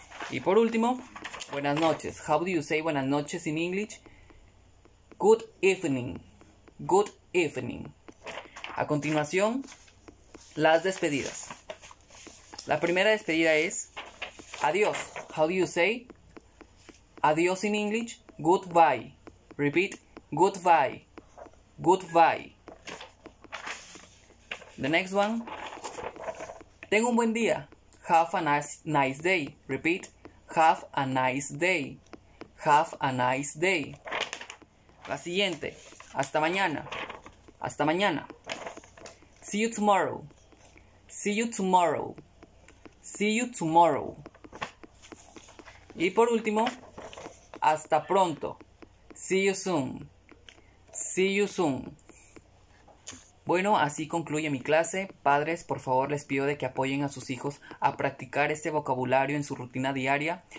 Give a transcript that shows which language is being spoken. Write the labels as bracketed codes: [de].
[es] Y por último, buenas noches. [en] How do you say buenas noches in English? Good evening. Good evening. [es] A continuación, las despedidas. La primera despedida es, adiós. [en] How do you say adiós in English? Goodbye. Repeat, goodbye, goodbye. The next one, [es] tengo un buen día. [en] Have a nice day. Repeat, have a nice day, have a nice day. [es] La siguiente, hasta mañana, hasta mañana. [en] See you tomorrow, see you tomorrow, see you tomorrow. [es] Y por último, hasta pronto. [en] See you soon. See you soon. [es] Bueno, así concluye mi clase. Padres, por favor, les pido de que apoyen a sus hijos a practicar este vocabulario en su rutina diaria.